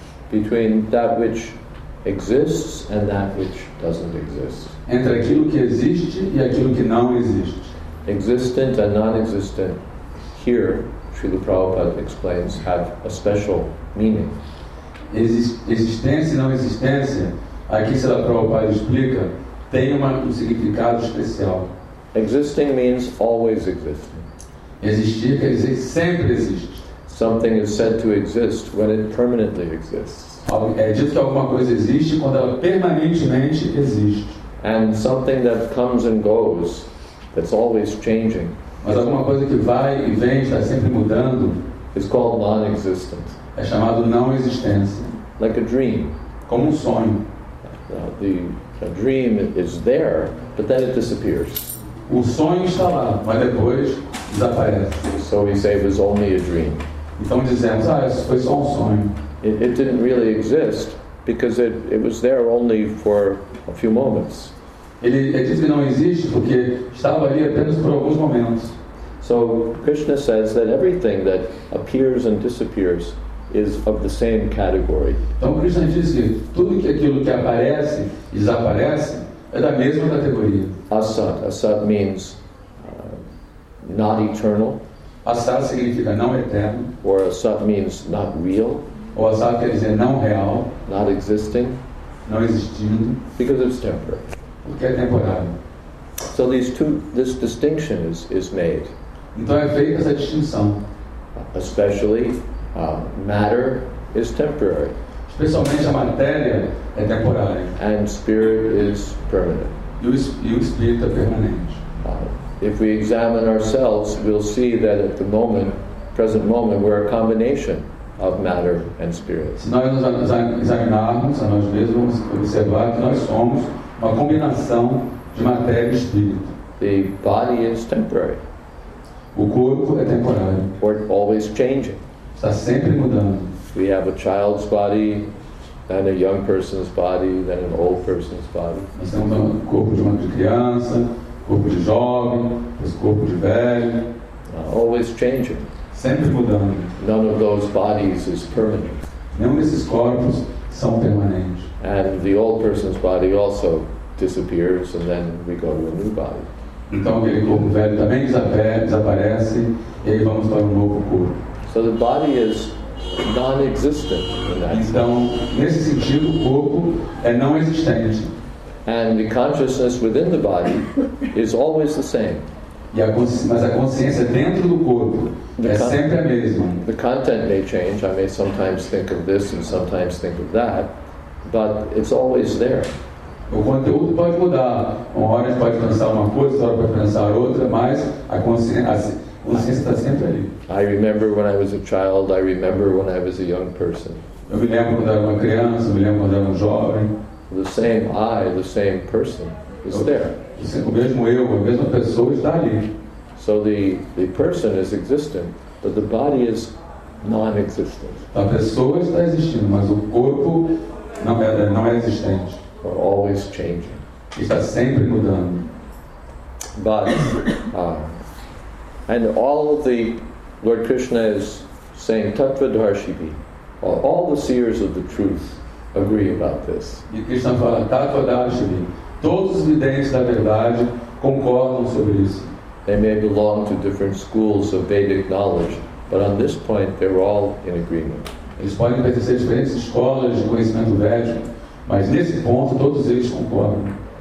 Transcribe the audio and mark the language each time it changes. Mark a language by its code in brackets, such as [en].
[en] Between that which exists and that which doesn't exist. [pt] Entre aquilo que existe e aquilo que não existe. [en] Existent and non-existent here, Srila Prabhupada explains, have a special meaning. [pt] Existência e não existência, aqui Srila Prabhupada explica, tem um significado especial. [en] Existing means always existing. [pt] Existir quer dizer sempre existe. [en] Something is said to exist when it permanently exists. [pt] É dito que alguma coisa existe quando ela permanentemente existe. [en] and something that comes and goes, that's always changing. [pt] Mas alguma coisa que vai e vem, está sempre mudando, [en] is called non-existent. [pt] É chamado não existência. [en] Like a dream. [pt] Como sonho. [en] A dream is there, but then it disappears. [pt] O sonho está lá, mas depois desaparece. [en] So we say it was only a dream. [pt] Então dizemos, isso foi só sonho. [en] It didn't really exist because it was there only for a few moments. [pt] Ele diz que não existe porque estava ali apenas por alguns momentos. [en] So Krishna says that everything that appears and disappears is of the same category. [pt] Então Krishna diz que tudo que aquilo que aparece e desaparece é da mesma categoria. [en] Asat means not eternal. [pt] Asat significa não eterno. [en] Or asat means not real. [pt] Ou asat quer dizer não real. [en] Not existing. [pt] Não existindo. [en] Because it's temporary. [pt] Porque é temporário. [en] So these two, this distinction is made. [pt] Então é feita essa distinção. [en] Especially matter is temporary. [pt] Especialmente a matéria é temporária. [en] And spirit is permanent. [pt] E o espírito é permanente. [en] If we examine ourselves, we'll see that at the moment, present moment, we're a combination of matter and spirit. [pt] Se nós nos examinarmos a nós mesmos, observar que nós somos uma combinação de matéria e espírito. [en] The body is temporary. [pt] O corpo é temporário. [en] Or always changing. [pt] Está sempre mudando. [en] We have a child's body, then a young person's body, then an old person's body. [pt] Nós temos um corpo de uma criança, corpo de jovem, depois corpo de velho. [en] Always changing. [pt] Sempre mudando. [en] None of those bodies is permanent. [pt] Nenhum desses corpos são permanentes. [en] And the old person's body also disappears, and then we go to a new body. [pt] Então aquele corpo velho também desaparece, e aí vamos para um novo corpo. [en] So the body is non-existent in that sense. [pt] Então, nesse sentido, o corpo é não existente. [en] And the consciousness within the body is always the same. [pt] Mas a consciência dentro do corpo sempre a mesma. [en] The content may change. I may sometimes think of this and sometimes think of that. But it's always there. [pt] O conteúdo pode mudar. Uma hora a gente pode pensar uma coisa, outra hora pode pensar outra, mas a consciência... [en] I remember when I was a child, I remember when I was a young person. [pt] Eu me lembro quando era uma criança, eu me lembro quando era jovem. [en] The same I, the same person, is there. [pt] O mesmo eu, a mesma pessoa está ali. [en] So the person is existent, but the body is non-existent. [pt] A pessoa está existindo, mas o corpo não é existente. [en] We're always changing. [pt] Está sempre mudando. [en] But, and all of the Lord Krishna is saying Tattva Darshini. All the seers of the truth agree about this. [pt] E Krishna fala Tattva Darshini. Todos os videntes da verdade concordam sobre isso. [en] They may belong to different schools of Vedic knowledge, but on this point they're all in agreement. [pt] Eles podem pertencer a diferentes escolas de conhecimento védico, mas nesse ponto todos eles concordam.